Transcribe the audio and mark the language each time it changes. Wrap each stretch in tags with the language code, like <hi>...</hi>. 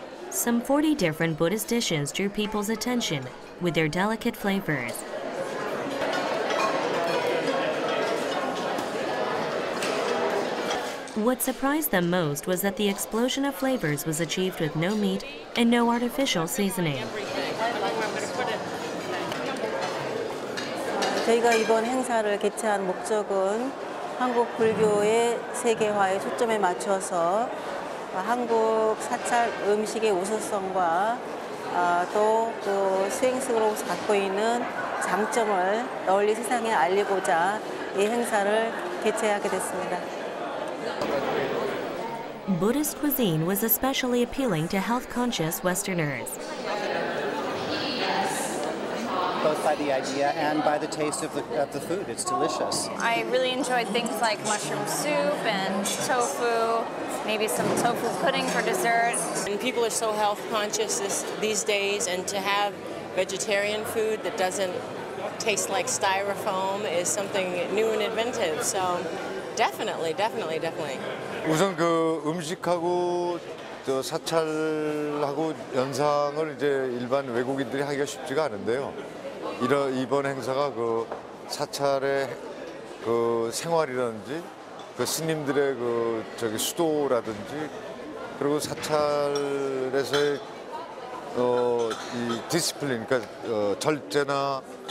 <en>Some 40 different Buddhist dishes drew people's attention with their delicate flavors. What surprised them most was that the explosion of flavors was achieved with no meat and no artificial seasoning.</en> <ko>저희가 이번 행사를 개최한 목적은 한국 불교의 세계화에 초점에 맞춰서 한국 사찰 음식의 우수성과 또 그 수행식으로서 갖고 있는 장점을 널리 세상에 알리고자 이 행사를 개최하게 됐습니다.</ko> <en>Buddhist cuisine was especially appealing to health-conscious Westerners. Both by the idea and by the taste of the food. It's delicious. I really enjoyed things like mushroom soup and tofu, maybe some tofu pudding for dessert. And people are so health conscious these days, and to have vegetarian food that doesn't taste like styrofoam is something new and inventive. So definitely, definitely, definitely.</en> <ko>우선 그 음식하고 저 사찰하고 연상을 이제 일반 외국인들이 하기가 쉽지가 않은데요. 이번 행사가 그 사찰의 그 생활이라든지 그 스님들의 그 저기 수도라든지 그리고 사찰에서의 이 디시플린, 그러니까 절제나</ko>